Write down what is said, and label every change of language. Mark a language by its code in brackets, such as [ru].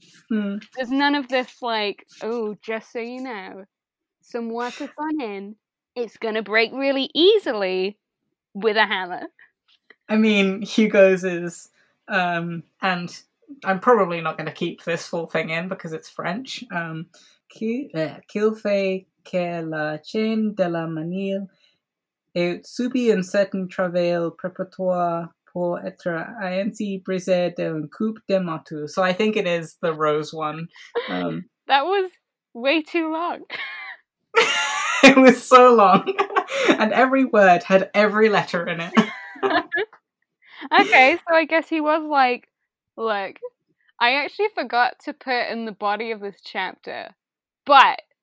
[en] There's none of this, like, oh, just so you know, some work has gone in, it's gonna break really easily with a hammer. I mean, Hugo's is, and I'm probably not gonna keep this full thing in because it's French. [fr] Qu'il fait que la chaîne de la manille ait subi un certain travail préparatoire pour être ainsi brisé d'un coup de marteau. [en] So I think it is the rose one. That was way too long. It was so long. And every word had every letter in it. Okay, so I guess he was like, look, I actually forgot to put in the body of this chapter, but